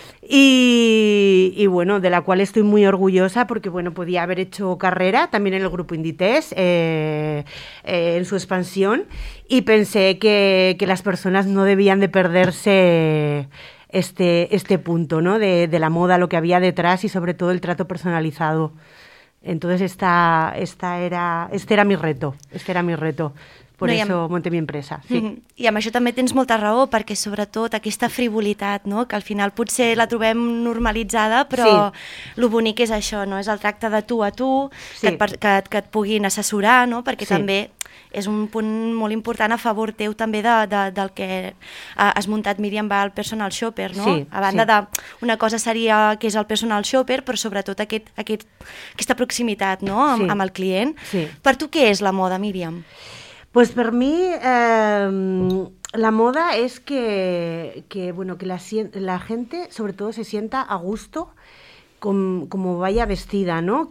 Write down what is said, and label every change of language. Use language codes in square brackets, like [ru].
[es] Y bueno, de la cual estoy muy orgullosa porque, bueno, podía haber hecho carrera también en el grupo Inditex, en su expansión, y pensé que las personas no debían de perderse este punto, ¿no?, de la moda, lo que había detrás y sobre todo el trato personalizado. Entonces este era mi reto. Por [ca] això [es] monté mi empresa, sí. [ca] I amb això també tens molta raó, perquè sobretot aquesta frivolitat, no?, que al final potser la trobem normalitzada, però sí, lo bonic és això, no?, és el tracte de tu a tu, sí, que et puguin assessorar, no?, perquè sí, també és un punt molt important a favor teu també del que has muntat Míriam Val Personal Shopper, no? Sí, a banda sí, de una cosa seria que és el personal shopper, però sobretot aquesta proximitat, no?, amb el client. Sí. Per tu què és la moda, Míriam? [es] Pues para mí la moda es que bueno, que la gente sobre todo se sienta a gusto como vaya vestida, ¿no?